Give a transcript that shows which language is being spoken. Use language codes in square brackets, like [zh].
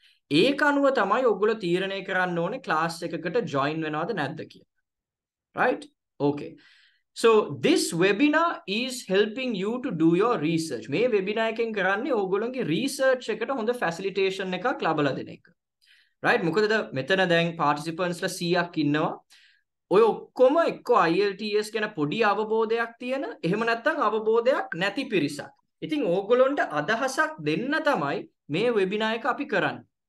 [si] ඒක අනුව තමයි ඔයගොල්ලෝ තීරණය කරන්න ඕනේ class එකකට join වෙනවද නැද්ද කියලා. [en] Right? Okay. So this webinar is helping you to do your research. [si] මේ webinar එකෙන් කරන්නේ ඔයගොල්ලන්ගේ research එකට හොඳ facilitation එකක් ලබලා දෙන එක. [en] Right? [si] මොකද මෙතන දැන් participants ලා 100ක් ඉන්නවා. ඔය ඔක්කොම එක්ක IELTS ගැන පොඩි අවබෝධයක් තියෙන, එහෙම නැත්නම් අවබෝධයක් නැති පිරිසක්. ඉතින් ඕගොල්ලොන්ට අදහසක් දෙන්න තමයි මේ webinar එක අපි කරන්නේ.